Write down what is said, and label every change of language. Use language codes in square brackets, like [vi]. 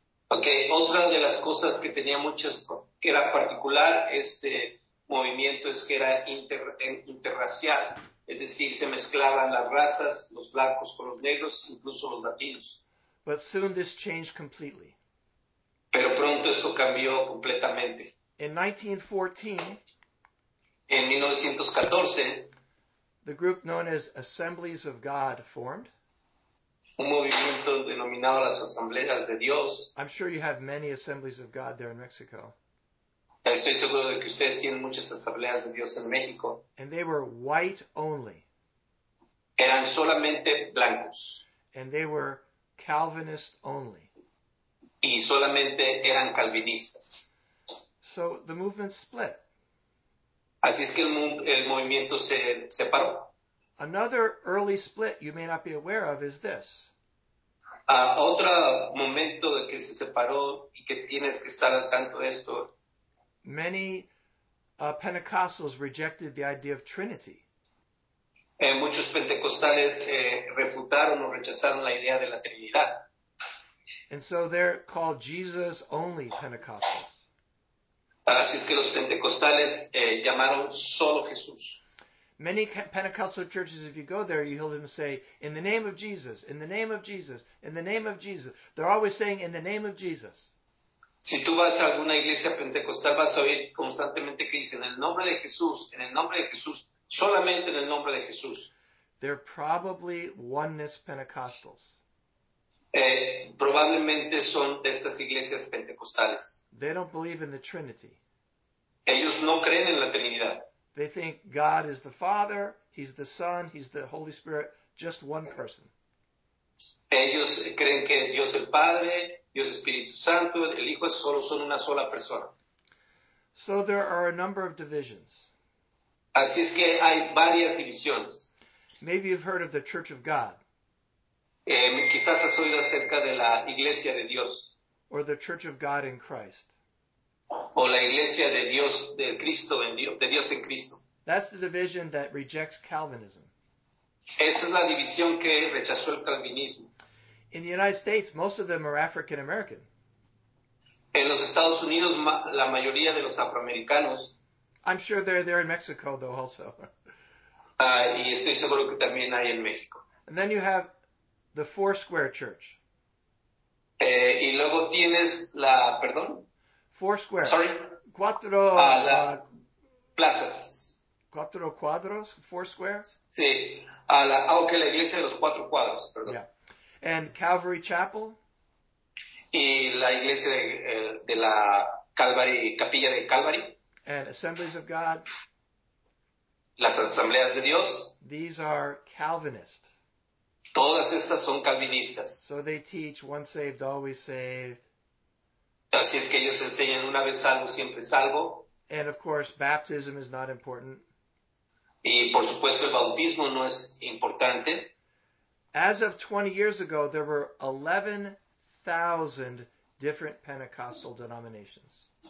[es] Okay, otra de las cosas que tenía muchas, que era particular este movimiento es que era interracial, es decir, se mezclaban las razas, los blancos con los negros, incluso los latinos. [en] But soon this changed completely. [es] Pero pronto esto cambió completamente. [en] In 1914, [es] en 1914, [en] the group known as Assemblies of God formed. [es] Un movimiento denominado las Asambleas de Dios. [en] I'm sure you have many Assemblies of God there in Mexico. [es] Estoy seguro de que ustedes tienen muchas Asambleas de Dios en México. [en] And they were white only. [es] Eran solamente blancos. [en] And they were Calvinist only. [es] Y solamente eran calvinistas. [en] So the movement split. [es] Así es que el movimiento se separó. [en] Another early split you may not be aware of is this. [es] Otro momento de que se separó y que tienes que estar al tanto de esto. [en] Many Pentecostals rejected the idea of Trinity. [es] Muchos pentecostales refutaron o rechazaron la idea de la Trinidad. [en] And so they're called Jesus only Pentecostals. [es] Así es que los pentecostales llamaron solo Jesús. [en] Many Pentecostal churches, if you go there, you hear them say, in the name of Jesus, in the name of Jesus, in the name of Jesus. They're always saying, in the name of Jesus. [es] Si tú vas a alguna iglesia pentecostal, vas a oír constantemente que dicen, en el nombre de Jesús, en el nombre de Jesús, solamente en el nombre de Jesús. [en] They're probably oneness Pentecostals. [es] Probablemente son de estas iglesias pentecostales. [en] They don't believe in the Trinity. [es] Ellos no creen en la Trinidad. [en] They think God is the Father, He's the Son, He's the Holy Spirit, just one person. [es] Ellos creen que Dios el Padre, Dios Espíritu Santo, el Hijo, solo son una sola persona. [en] So there are a number of divisions. [es] Así es que hay varias divisiones. [en] Maybe you've heard of the Church of God. [es] Quizás has oído acerca de la Iglesia de Dios. [en] Or the Church of God in Christ. [es] O la Iglesia de Dios, de Cristo en Dios, de Dios en Cristo. [en] That's the division that rejects Calvinism. [es] Esa es la división que rechazó el Calvinismo. [en] In the United States, most of them are African American. [es] En los Estados Unidos, la mayoría de los afroamericanos. [en] I'm sure they're there in Mexico, though, also. [es] Y estoy seguro que también hay en México. [en] And then you have the Four Square Church. [es] Y luego tienes la, perdón. [en] Four Square. Sorry. [es] Cuatro. Plazas. Cuatro cuadros, [en] four squares. [es] Sí. Aunque la iglesia de los cuatro cuadros, perdón. [en] Yeah. And Calvary Chapel. [es] Y la iglesia de la Calvary, Capilla de Calvary. [en] And Assemblies of God. [es] Las Asambleas de Dios. [en] These are Calvinist. [es] Todas estas son calvinistas. [en] So they teach once saved, always saved. [es] Así es que ellos enseñan una vez salvo, siempre salvo. [en] And of course, baptism is not important. [es] Y por supuesto, el bautismo no es importante. [en] As of 20 years ago, there were 11,000 different Pentecostal denominations.